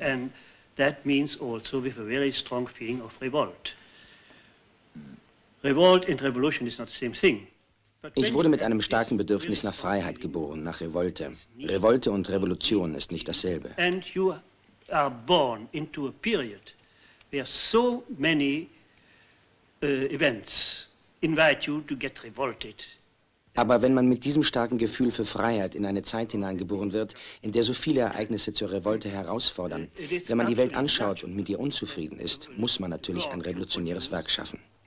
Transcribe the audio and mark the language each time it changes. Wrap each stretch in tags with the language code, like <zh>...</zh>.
<en>And that means also with a very strong feeling of revolt. Revolt and revolution is not the same thing.</en> <de>Ich wurde mit einem starken Bedürfnis nach Freiheit geboren, nach Revolte. Revolte und Revolution ist nicht dasselbe.</de> <en>And you are born into a period where so many events invite you to get revolted.</en> <de>Aber wenn man mit diesem starken Gefühl für Freiheit in eine Zeit hineingeboren wird, in der so viele Ereignisse zur Revolte herausfordern, wenn man die Welt anschaut und mit ihr unzufrieden ist, muss man natürlich ein revolutionäres Werk schaffen.</de>